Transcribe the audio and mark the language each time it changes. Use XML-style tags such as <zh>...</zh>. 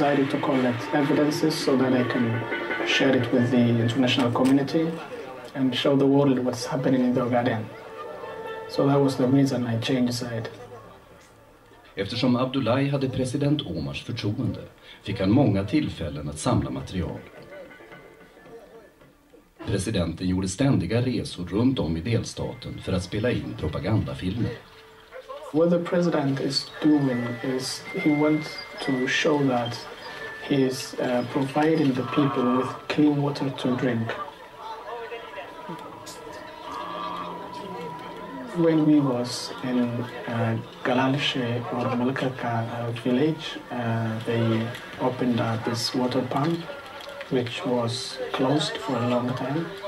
<en>To collect evidences so that I can share it with the international community and show the world what's happening in the Ogaden. So that was the reason I changed side.</en> <sv>Eftersom Abdullahi hade president Omars förtroende fick han många tillfällen att samla material. Presidenten gjorde ständiga resor runt om i delstaten för att spela in propagandafilmer.</sv> <en>What the president is doing is he wants to show that he is providing the people with clean water to drink. When we was in Galalshe or Malkaka village, they opened up this water pump, which was closed for a long time.</en>